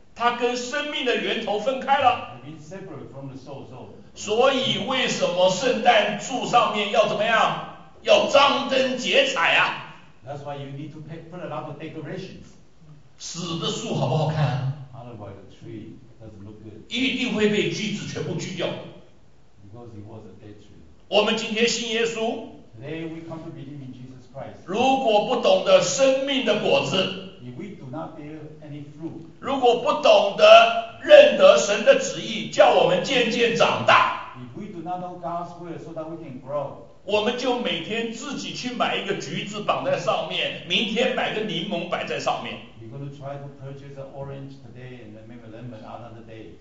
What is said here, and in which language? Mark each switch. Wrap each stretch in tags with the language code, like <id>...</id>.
<zh>它跟生命的源头分开了。</zh> <en>It's been separated from the source.</en> <zh>所以为什么圣诞树上面要怎么样？要张灯结彩啊</zh> <en>？That's why you need to put a lot of decorations.</en> <zh>死的树好不好看</zh> <en>Otherwise, the tree doesn't look good.</en> <zh>一定会被锯子全部锯掉</zh> <en>Because it was a dead tree.</en> <zh>我们今天信耶稣</zh> <en>Today we come to believe in Jesus Christ.</en> <zh>如果不懂得生命的果子</zh> <en>If we do not bear any fruit,</en> <zh>如果不懂得认得神的旨意叫我们渐渐长大</zh> <en>If we do not know God's will so that we can grow,</en> <zh>我们就每天自己去买一个橘子绑在上面明天买个柠檬摆在上面</zh> <en>We're going to try to purchase an orange today and then maybe a lemon another day.</en>